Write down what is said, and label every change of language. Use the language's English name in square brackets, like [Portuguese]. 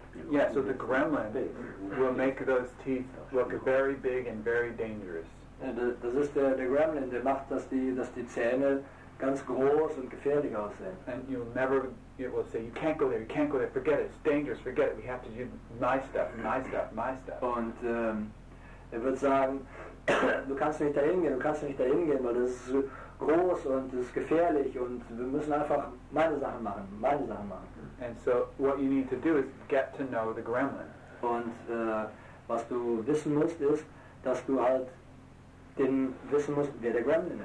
[English] Yeah, so the gremlin will make those teeth look very big and very dangerous. [German] Das ist der Gremlin, der macht, dass die Zähne ganz groß und gefährlich aussehen. [English] And it will say, you can't go there, forget it, it's dangerous, forget it, we have to do my stuff. [German] Und er wird sagen, du kannst nicht dahin gehen, weil das ist groß und das ist gefährlich und wir müssen einfach meine Sachen machen. [English] And so what you need to do is get to know the gremlin. [German] Und was du wissen musst ist, dass du halt den wissen musst, wer der Gremlin ist.